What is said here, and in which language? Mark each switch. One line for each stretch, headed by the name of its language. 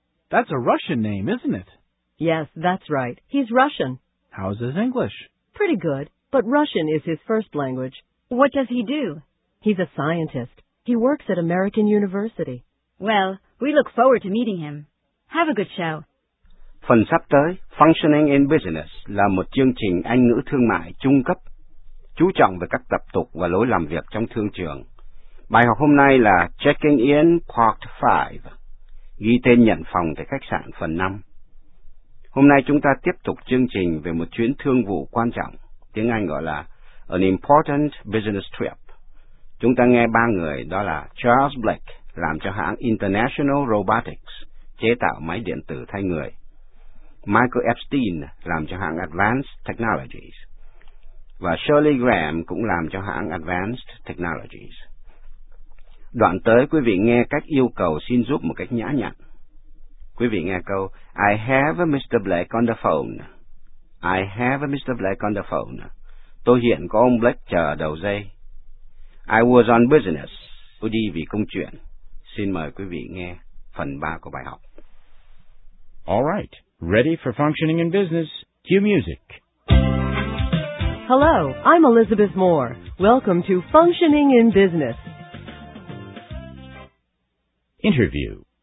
English: That's a Russian name, isn't it? Yes, that's right. He's Russian. How's his English? Pretty good, but Russian is his first language. What does he do? He's a scientist. He works at American University. Well, we look forward to meeting him. Have a good show.
Vietnamese: Phần sắp tới, Functioning in Business là một chương trình Anh ngữ thương mại trung cấp, chú trọng về các tập tục và lối làm việc trong thương trường. Bài học hôm nay là Checking in Part 5, ghi tên nhận phòng tại khách sạn phần 5. Hôm nay chúng ta tiếp tục chương trình về một chuyến thương vụ quan trọng, tiếng Anh gọi là An Important Business Trip. Chúng ta nghe ba người, đó là Charles Blake, làm cho hãng International Robotics, chế tạo máy điện tử thay người. Michael Epstein làm cho hãng Advanced Technologies. Và Shirley Graham cũng làm cho hãng Advanced Technologies. Đoạn tới, quý vị nghe cách yêu cầu xin giúp một cách nhã nhặn. Quý vị nghe câu,
English: I have a Mr. Blake on the phone.
Vietnamese: I have a Mr. Blake on the phone. Tôi hiện có ông Blake chờ đầu dây.
English: I was on business.
Vietnamese: Tôi đi vì công chuyện. Xin mời quý vị nghe phần 3 của bài học.
English: All right. Ready for functioning in business. Cue music. Hello, I'm Elizabeth Moore. Welcome to Functioning in Business. Interview.